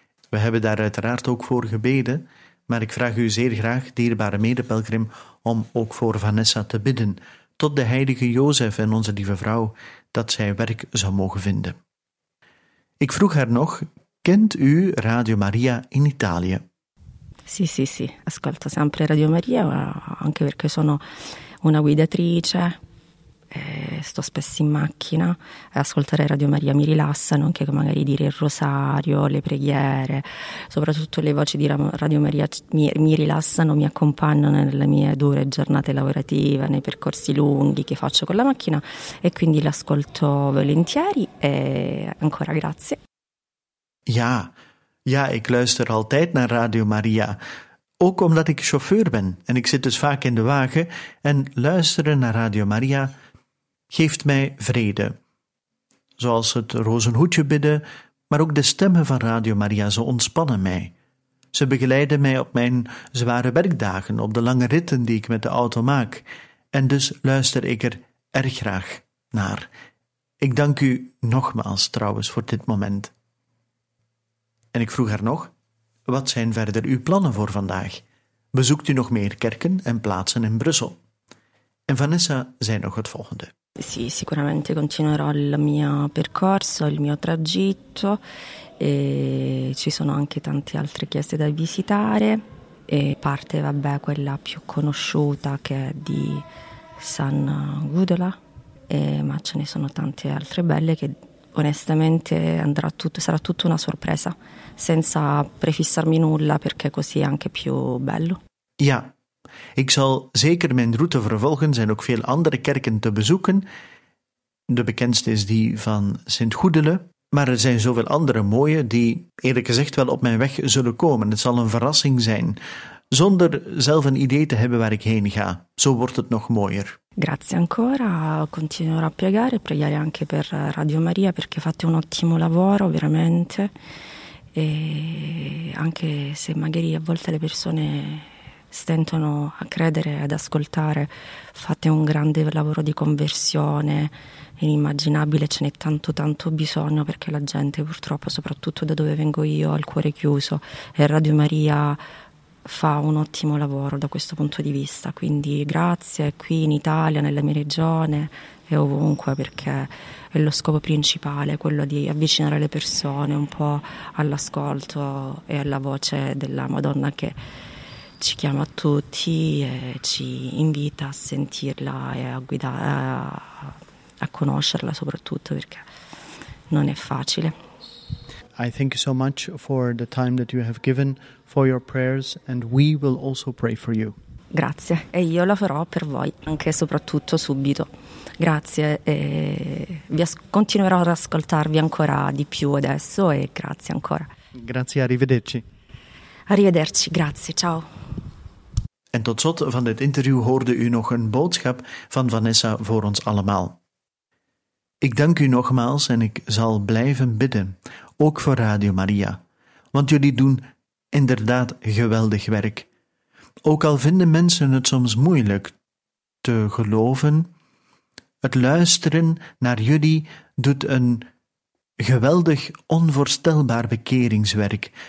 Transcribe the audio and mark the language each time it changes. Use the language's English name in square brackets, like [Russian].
[Dutch] We hebben daar uiteraard ook voor gebeden, maar ik vraag u zeer graag, dierbare medepelgrim, om ook voor Vanessa te bidden, tot de heilige Jozef en Onze Lieve Vrouw, dat zij werk zou mogen vinden. Ik vroeg haar nog: kent u Radio Maria in Italië? [Italian] Sì, sì, sì, ascolto sempre Radio Maria, anche perché sono una guidatrice, sto spesso in macchina e ascoltare Radio Maria mi rilassa, non che magari dire il rosario, le preghiere, soprattutto le voci di Radio Maria mi rilassano, mi accompagnano nelle mie dure giornate lavorative, nei percorsi lunghi che faccio con la macchina, e quindi l'ascolto volentieri e ancora grazie. [Dutch] Ja, ik luister altijd naar Radio Maria. Ook omdat ik chauffeur ben en ik zit dus vaak in de wagen, en luisteren naar Radio Maria geeft mij vrede. Zoals het rozenhoedje bidden, maar ook de stemmen van Radio Maria, ze ontspannen mij. Ze begeleiden mij op mijn zware werkdagen, op de lange ritten die ik met de auto maak, en dus luister ik er erg graag naar. Ik dank u nogmaals trouwens voor dit moment. En ik vroeg haar nog, wat zijn verder uw plannen voor vandaag? Bezoekt u nog meer kerken en plaatsen in Brussel? En Vanessa zei nog het volgende. [Italian] Sì, sicuramente continuerò il mio percorso, il mio tragitto. E ci sono anche tante altre chiese da visitare. E parte, vabbè, quella più conosciuta che è di San Gudula. Ma ce ne sono tante altre belle che onestamente sarà tutta una sorpresa, senza prefissarmi nulla, perché così è anche più bello. [Dutch] Ja, ik zal zeker mijn route vervolgen. Er zijn ook veel andere kerken te bezoeken. De bekendste is die van Sint Goedele, maar er zijn zoveel andere mooie die eerlijk gezegd wel op mijn weg zullen komen. Het zal een verrassing zijn, zonder zelf een idee te hebben waar ik heen ga. Zo wordt het nog mooier. [Italian] Grazie ancora, continuerò a pregare e pregare anche per Radio Maria, perché fate un ottimo lavoro, veramente. E anche se magari a volte le persone stentano a credere e ad ascoltare, fate un grande lavoro di conversione, inimmaginabile, ce n'è tanto tanto bisogno, perché la gente purtroppo, soprattutto da dove vengo io, ha il cuore chiuso e Radio Maria fa un ottimo lavoro da questo punto di vista, quindi grazie qui in Italia, nella mia regione e ovunque, perché è lo scopo principale, quello di avvicinare le persone un po' all'ascolto e alla voce della Madonna che ci chiama a tutti e ci invita a sentirla e a conoscerla, soprattutto perché non è facile. [English] I thank you so much for the time that you have given, for your prayers, and we will also pray for you. [Italian] Grazie, e io la farò per voi, anche e soprattutto subito. Grazie, e continuerò ad ascoltarvi ancora di più adesso, e grazie ancora. Grazie, arrivederci. Arrivederci, grazie, ciao. [Dutch] En tot slot van dit interview hoorde u nog een boodschap van Vanessa voor ons allemaal. Ik dank u nogmaals en ik zal blijven bidden, ook voor Radio Maria, want jullie doen inderdaad geweldig werk. Ook al vinden mensen het soms moeilijk te geloven, het luisteren naar jullie doet een geweldig, onvoorstelbaar bekeringswerk.